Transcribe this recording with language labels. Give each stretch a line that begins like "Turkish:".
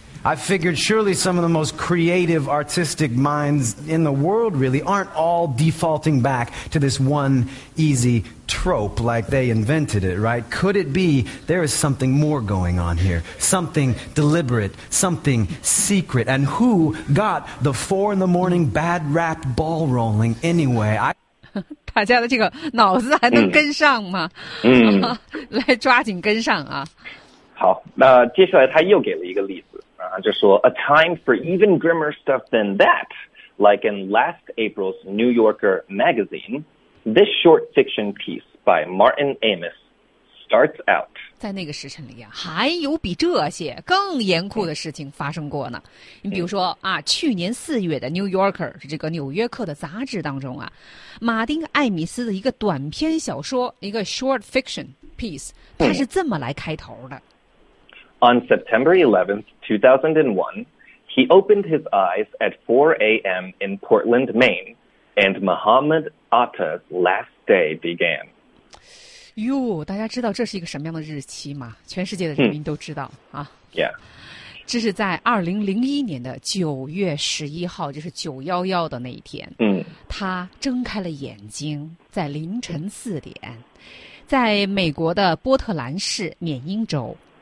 English: I figured surely some of the most creative artistic minds in the world really aren't all defaulting back to this one easy trope like they invented it, right? Could it be there is something more going on here? Something deliberate, something secret. And who got the 4 in the morning bad rap ball rolling anyway?
Chinese: 大家的这个脑子还能跟上吗？来抓紧跟上啊。好，那接下来他又给了一个例子。就说
English: a time for even grimmer stuff than that, like in last April's New Yorker magazine, this short fiction piece by Martin Amis starts out.
Chinese: 在那个时辰里啊，还有比这些更严酷的事情发生过呢。你比如说啊，去年四月的 New Yorker 这个纽约客的杂志当中啊，马丁·艾米斯的一个短篇小说，一个
English: short fiction piece，
Chinese: 它是这么来开头的。
English: On September 11th, 2001, he opened his eyes at 4 a.m. in Portland, Maine, and Muhammad Atta's last day began.
Chinese: 哟，大家知道这是一个什么样的日期吗？全世界的人民都知道啊。
English: Yeah.
Chinese: 这是在2001年的9月11号，就是911的那一天。他睁开了眼睛，在凌晨四点，在美国的波特兰市缅因州。